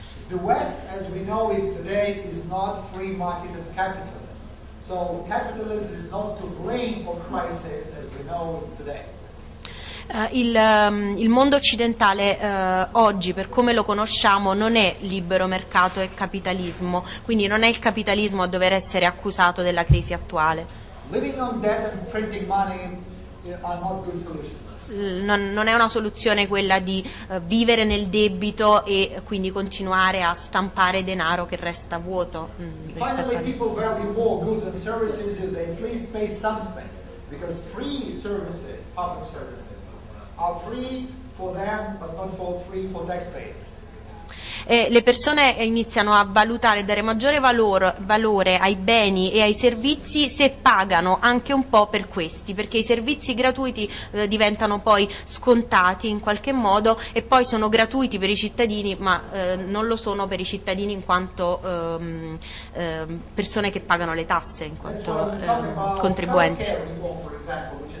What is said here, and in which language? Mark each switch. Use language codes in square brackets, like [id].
[en] The West, as we know it today, is not free market and capitalist. So capitalism is not to blame for crisis as we know it today. [it] Il mondo occidentale oggi, per come lo conosciamo, non è libero mercato e capitalismo, quindi non è il capitalismo a dover essere accusato della crisi attuale. [en] Living on debt and printing money are not good solutions. [it] Non è una soluzione quella di vivere nel debito e quindi continuare a stampare denaro che resta vuoto. [en] Finally, people value more goods and services if they at least pay something, because free services, public services, are free for them but not for free for taxpayers. [it] le persone iniziano a valutare, dare maggiore valore ai beni e ai servizi se pagano anche un po' per questi, perché i servizi gratuiti diventano poi scontati in qualche modo e poi sono gratuiti per i cittadini, ma non lo sono per i cittadini in quanto persone che pagano le tasse, in quanto contribuenti.